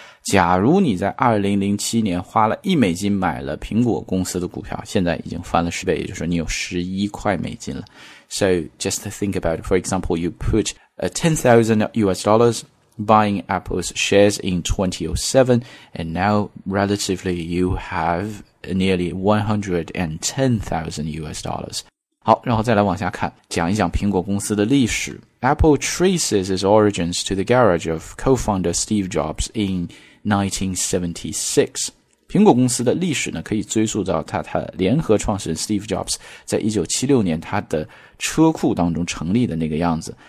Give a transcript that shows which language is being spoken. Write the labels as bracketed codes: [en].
[zh] 假如你在2007年花了$1买了苹果公司的股票，现在已经翻了10倍，也就是你有$11了。 [en] So, just think about it. For example, you put $10,000 buying Apple's shares in 2007, and now relatively you have nearly $110,000. [zh] 好，然后再来往下看，讲一讲苹果公司的历史。 [en] Apple traces its origins to the garage of co-founder Steve Jobs in 1976. [zh] 苹果公司的历史呢，可以追溯到他联合创始人 Steve Jobs 在1976年他的车库当中成立的那个样子。